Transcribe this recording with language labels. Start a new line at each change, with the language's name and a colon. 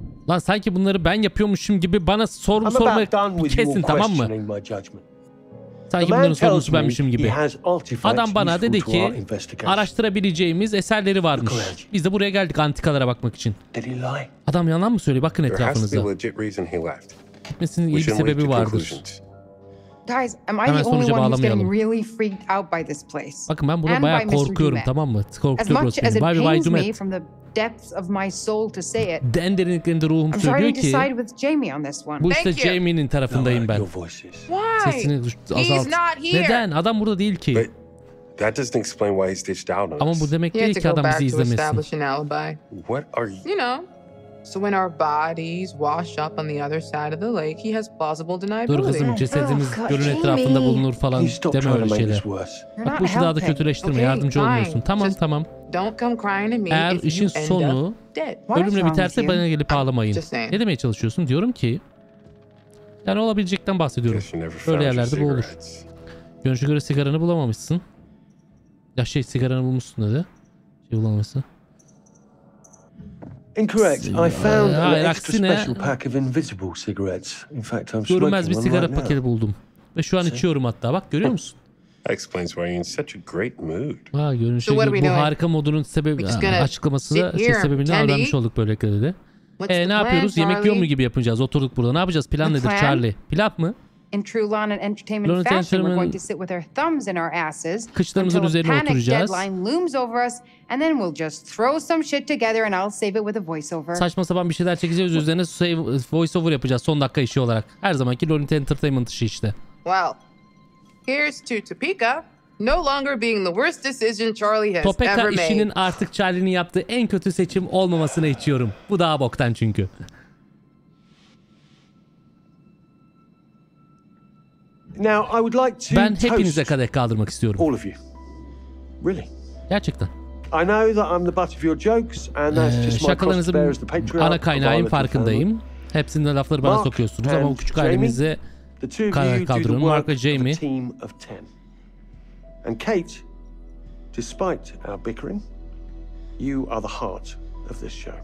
Turkish: Lan sanki bunları ben yapıyormuşum gibi bana sorum sormayı kesin, tamam mı? Sanki bunların sorumlusu benmişim gibi. Adam bana dedi ki araştırabileceğimiz eserleri varmış. Biz de buraya geldik antikalara bakmak için. Adam yalan mı söylüyor? Bakın etrafınıza. Gitmesinin iyi bir sebebi vardır.
English: Guys, am I the only one who's getting really freaked out by this place?
Turkish: Bakın ben burada bayağı korkuyorum, tamam mı? Korkuyorum.
English: As much as it pains me from the depths of my soul to say it.
Turkish: Den derinliklerinde ruhum söylüyor ki.
English: I'm trying to decide with Jamie on this one.
Turkish: Bu işte Jamie'nin tarafındayım ben.
English: Why?
Turkish: Sesini azalt. Neden? Adam burada değil ki.
English: That doesn't explain why he stitched out on us.
Turkish: Ama bu demek değil ki adam bizi izlemesin.
English: Establish an alibi. What are you? You know. So when our bodies wash up on the other side of the lake, he has plausible deniability.
Turkish: Dur kızım, cesedimiz gölün etrafında bulunur falan deme öyle şeyler. Bak bu işi daha da kötüleştirme, yardımcı olmuyorsun. Tamam, tamam.
English: Don't come crying to me.
Turkish: Eğer işin sonu ölümle biterse bana gelip ağlamayın. Ne demeye çalışıyorsun? Diyorum ki, yani olabilecekten bahsediyorum. Böyle yerlerde bu olur. Görünüşe göre sigaranı bulamamışsın. Ya şey, sigaranı bulmuşsun dedi. Şey bulamamışsın.
English: Incorrect. I found an extra special pack of invisible cigarettes. In fact, I'm smoking one right now.
Turkish: Paketi buldum. Ve şu an içiyorum hatta. Bak, görüyor musun?
English: That explains why you're in such a great mood.
Turkish: Ha, görünüşe göre bu harika modunun sebebi, açıklamasını şey sebebini öğrenmiş olduk böylelikle dedi. Ne yapıyoruz? Yemek yiyor mu gibi yapacağız? Oturduk burada. Ne yapacağız? Plan nedir Charlie? Plan mı?
English: In true Lon and Entertainment fashion, we're going to sit with our thumbs in our asses until a panic
Turkish: oturacağız.
English: Deadline looms over us, and then we'll just throw some shit together, and I'll save it with a voiceover.
Turkish: Saçma sapan bir şeyler çekeceğiz, üzerine voiceover yapacağız son dakika işi olarak. Her zamanki Lon and Entertainment işi işte.
English: Well, here's to Topeka, no longer being the worst decision Charlie has Topeka ever made.
Turkish: Topeka işinin artık Charlie'nin yaptığı en kötü seçim olmamasını içiyorum. Bu daha boktan çünkü.
English: Now I would like to
Turkish: ben hepinize kadeh kaldırmak istiyorum.
English: All of you. Really?
Turkish: Gerçekten.
English: I know that I'm the butt of your jokes and that's just my cross bearer as the patriarch.
Turkish: Ana kaynağım, farkındayım. Hepsinden lafları bana sokuyorsunuz ama o küçük ailemizi kadeh kaldırın. Mark ve Jamie.
English: And Kate, despite our bickering, you are the heart of this show.